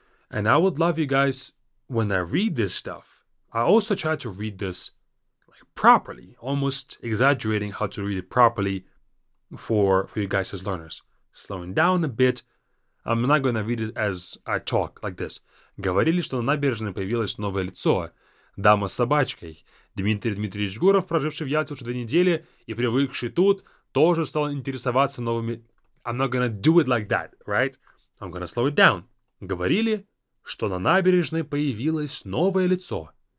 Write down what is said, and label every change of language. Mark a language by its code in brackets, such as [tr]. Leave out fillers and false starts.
[en] And I would love you guys, when I read this stuff, I also try to read this like properly, almost exaggerating how to read it properly for you guys as learners. Slowing down a bit. I'm not going to read it as I talk, like this. [ru] Говорили, что на набережной появилось новое лицо. Дама с собачкой. Дмитрий Дмитриевич Гуров, проживший в Ялте уже 2 недели и привыкший тут, тоже стал интересоваться новыми... [en] I'm not going to do it like that, right? I'm going to slow it down. [ru] Говорили, что на набережной появилось новое лицо.